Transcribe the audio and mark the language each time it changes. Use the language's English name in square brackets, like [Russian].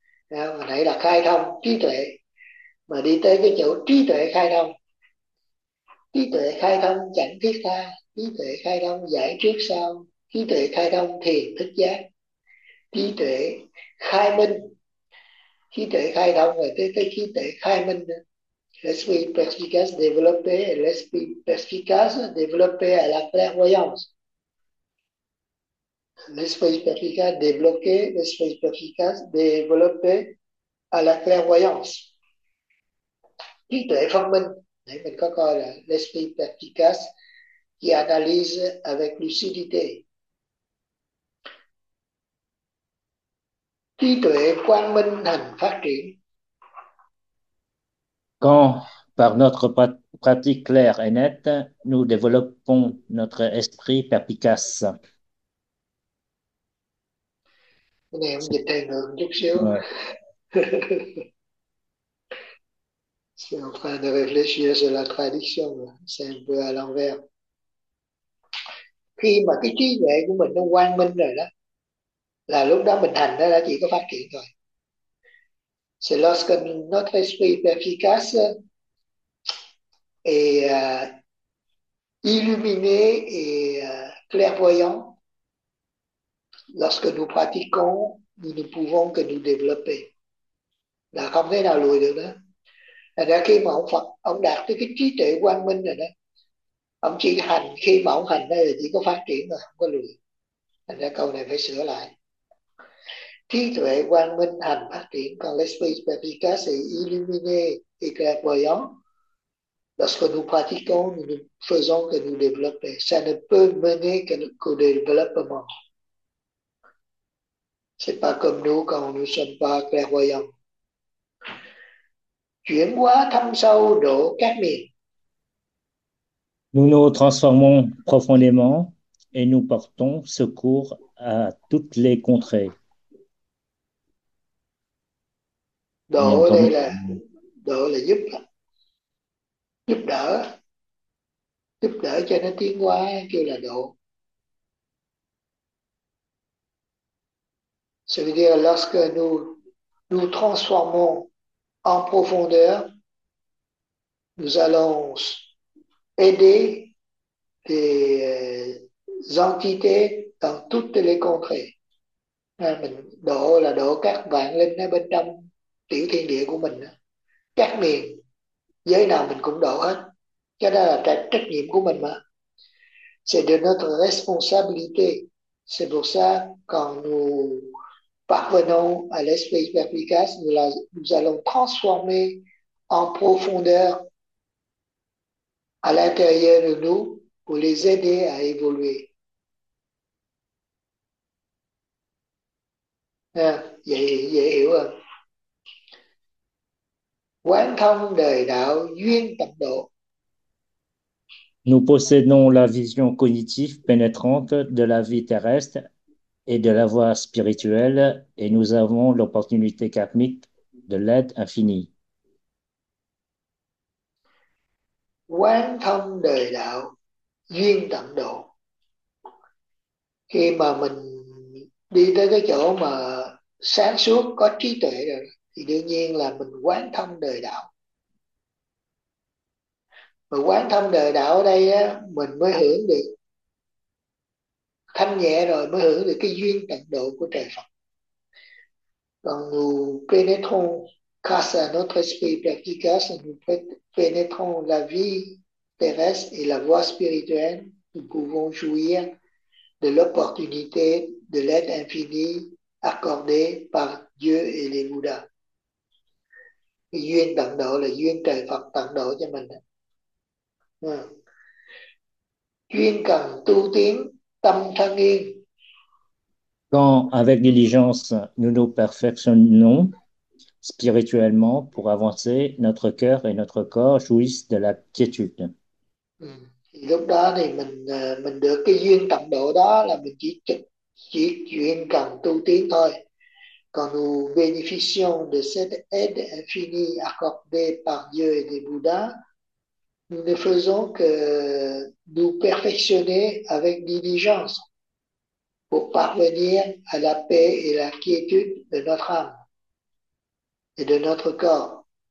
[Vietnamese] Hồi nãy là khai thông trí tuệ, mà đi tới cái chỗ trí tuệ khai thông. Trí tuệ khai thông chẳng thiết tha, trí tuệ khai thông giải trước sau, trí tuệ khai thông thiền thức giác, trí tuệ khai minh, trí tuệ khai thông rồi tới tới trí tuệ khai minh. [French] L'esprit perspicace développé, l'esprit perspicace développé à la clairvoyance. L'esprit perspicace débloqué, l'esprit perspicace développé à la clairvoyance. [Vietnamese] Trí tuệ thông minh, để mình có coi là [French] l'esprit perspicace qui analyse avec lucidité. [Vietnamese] Trí tuệ quang minh thành phát triển. [French] Quand, par notre pratique claire et nette, nous développons notre esprit perspicace. [Vietnamese] Cái này ông dịch thêm được chút xíu. [French] Ouais. Suis en train de réfléchir sur la traduction, c'est un peu à l'envers. [Vietnamese] Khi mà cái trí tuệ của mình nó quang minh rồi đó, là lúc đó mình thành đó đã chỉ có phát triển thôi. [French] C'est lorsque notre esprit perspicace est illuminé et clairvoyant. Lorsque nous pratiquons, nous ne pouvons que nous développer. [Vietnamese] Là không thể nào lùi được đó. Thành ra khi mà ông Phật, ông đạt tới cái trí tuệ quang minh rồi đó, ông chỉ hành, khi mà ông hành đó là chỉ có phát triển thôi, không có lùi. Thành ra câu này phải sửa lại. Trí tuệ quang minh hành phát triển, còn [French] l'esprit perspicace est illuminé et clairvoyant. Lorsque nous pratiquons, nous faisons que nous développer. Ça ne peut mener qu'au développement. Ce n'est pas comme nous quand nous ne sommes pas clairvoyants. [Vietnamese] Chuyển hóa thâm sâu độ các miền. [French] Nous nous transformons profondément et nous portons secours à toutes les contrées. Bien [Vietnamese] Độ [French] entendu. [Vietnamese] đây là giúp đỡ. Giúp đỡ cho nó tiến hóa kêu là độ. [French] Ça veut dire lorsque nous transformons en profondeur, nous allons aider des entités dans toutes les contrées. [Vietnamese] Mình độ là độ các vạn linh ở bên trong tiểu thiên địa của mình. Các miền, giới nào mình cũng độ hết. Cái đó là trách nhiệm của mình mà. [French] C'est de notre responsabilité. C'est pour ça, quand nous parvenons à l'esprit perspicace, nous allons transformer en profondeur à l'intérieur de nous pour les aider à évoluer. [Vietnamese] Vậy hiểu không? Quán thông đời đạo duyên tập độ. [French] Nous possédons la vision cognitive pénétrante de la vie terrestre et de la voie spirituelle et nous avons l'opportunité karmique de l'aide infinie. [Vietnamese] Quán thông đời đạo, duyên tận độ. Khi mà mình đi tới cái chỗ mà sáng suốt có trí tuệ rồi thì đương nhiên là mình quán thông đời đạo. Mà quán thông đời đạo ở đây á, mình mới hưởng được thanh nhẹ rồi mới hưởng được cái duyên tận độ của trời Phật. Còn dù [French] pénétrons casa notre esprit practicas pénétrons la vie terrestre et la voie spirituelle, nous pouvons jouir de l'opportunité de l'aide infinie accordée par Dieu et les Bouddhas. [Vietnamese] Cái duyên tận độ là duyên trời Phật tận độ cho mình. Chuyên cần tu tiến tâm thân yên. [French] Quand avec diligence nous nous perfectionnons spirituellement pour avancer, notre cœur et notre corps jouissent de la quiétude. [Vietnamese] Thì lúc đó thì mình được cái duyên tận độ đó là mình chỉ chuyên cần tu tiến thôi. Còn [French] nous bénéficions de cette aide infinie accordée par Dieu et les Bouddhas, nous ne faisons que nous perfectionner avec diligence pour parvenir à la paix et la quiétude de notre âme et de notre corps.